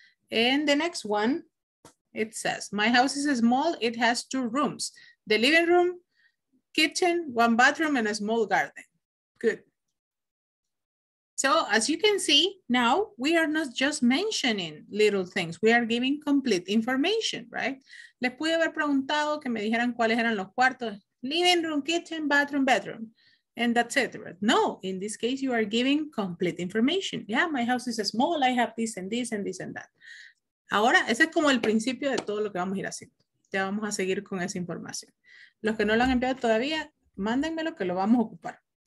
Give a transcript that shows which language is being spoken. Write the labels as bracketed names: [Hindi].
[English] And the next one, it says, my house is small. It has 2 rooms, the living room, kitchen, 1 bathroom, and a small garden. Good. So as you can see, now we are not just mentioning little things. We are giving complete information, right? [Spanish] Les pude haber preguntado que me dijeran cuáles eran los cuartos. [English] Living room, kitchen, bathroom, bedroom, and that's it. No, in this case, you are giving complete information. Yeah, my house is small. I have this and this and this and that. [Spanish] Ahora, ese es como el principio de todo lo que vamos a ir haciendo. Ya vamos a seguir con esa información. Los que no lo han enviado todavía, mándenmelo que lo vamos a ocupar.